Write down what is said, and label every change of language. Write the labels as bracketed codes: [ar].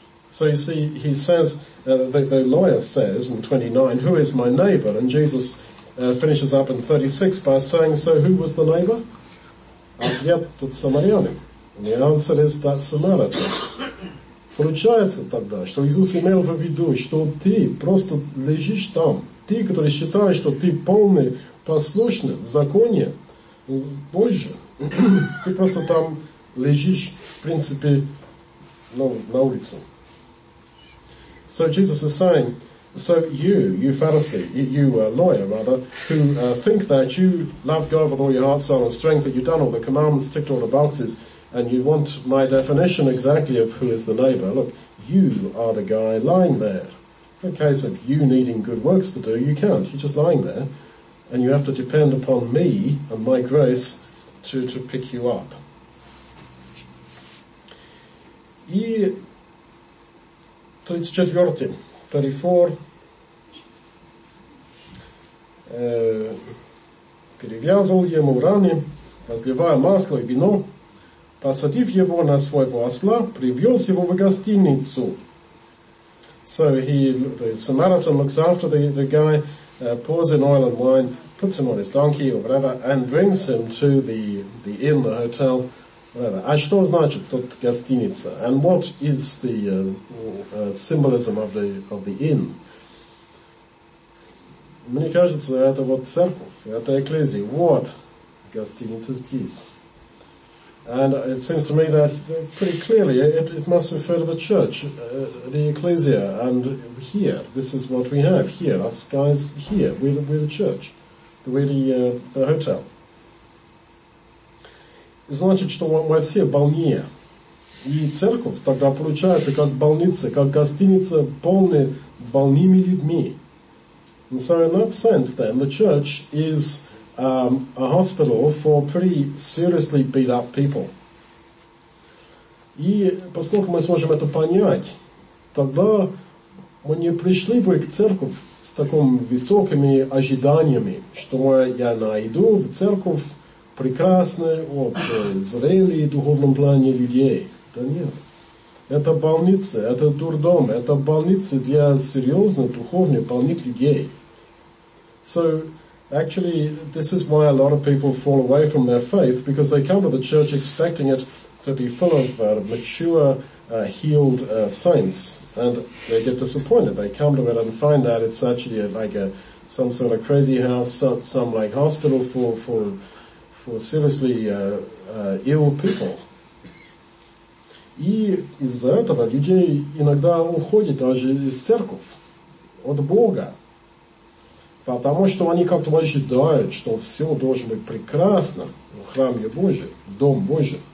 [en] So you see, he says, the lawyer says in 29, who is my neighbor? And Jesus finishes up in 36 by saying, so who was the neighbor? [ru] Ответ тот самарянин. [en] And the answer is that Samaritan. [ru] Получается тогда, что Иисус имел в виду, что ты просто лежишь там. Ты, который считаешь, что ты полный, послушный в законе Божьем. Ты просто там лежишь, в принципе, ну, на улице. [en] So Jesus is saying, so you Pharisee, you lawyer, who think that you love God with all your heart, soul, and strength, that you've done all the commandments, ticked all the boxes, and you want my definition exactly of who is the neighbor. Look, you are the guy lying there. In the case of you needing good works to do, you can't. You're just lying there. And you have to depend upon me and my grace to pick you up. [ru] И 34, 34, перевязал ему раны, разливая масло и вино, посадив его на своего осла, привез его в гостиницу. [en] So the Samaritan looks after the guy, pours in oil and wine, puts him on his donkey or whatever, and brings him to the inn, the hotel. [ru] А что значит тут гостиница? [en] And what is the symbolism of the inn? [ru] Мне кажется, это вот церковь, это экклезия. Вот гостиница здесь. [en] And it seems to me that pretty clearly it must refer to the church, the ecclesia, and here, this is what we have here, us guys here, we're the church, the hotel. [ru] Значит, что мы все больные. И церковь тогда получается как больница, как гостиница, полная больными людьми. [en] And so in that sense, then, the church is a hospital for pretty seriously beat up people. [ru] И поскольку мы сможем это понять, тогда мы не пришли бы к церковь с таким высокими ожиданиями, что я найду в церковь прекрасные, вот, зрелые в духовном плане людей. Да нет. Это больница, это дурдом, это больница для серьезных, духовных, больных людей. [en] So, actually, this is why a lot of people fall away from their faith, because they come to the church expecting it to be full of mature, healed saints, and they get disappointed. They come to it and find out it's actually some sort of crazy house, some like hospital for seriously ill people. [ru] И из-за этого людей иногда уходят даже из церковь от Бога. Потому что они как-то ожидают, что все должно быть прекрасно в храме Божьем, в Дом Божий.